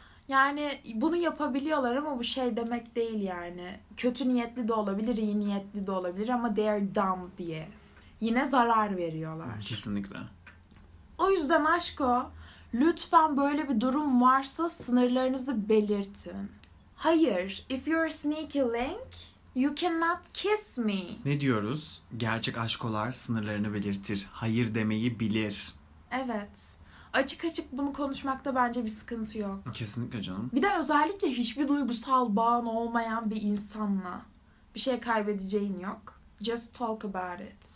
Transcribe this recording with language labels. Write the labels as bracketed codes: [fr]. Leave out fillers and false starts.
[tr] Yani bunu yapabiliyorlar ama bu şey demek değil yani. Kötü niyetli de olabilir, iyi niyetli de olabilir ama [en] they're dumb [tr] diye. Yine zarar veriyorlar. Kesinlikle. O yüzden aşko, lütfen böyle bir durum varsa sınırlarınızı belirtin. [en] Hayır, if you're a sneaky link, you cannot kiss me. [tr] Ne diyoruz? Gerçek aşkolar sınırlarını belirtir. Hayır demeyi bilir. Evet. Açık açık bunu konuşmakta bence bir sıkıntı yok. Kesinlikle canım. Bir de özellikle hiçbir duygusal bağın olmayan bir insanla bir şey kaybedeceğin yok. [en] Just talk about it.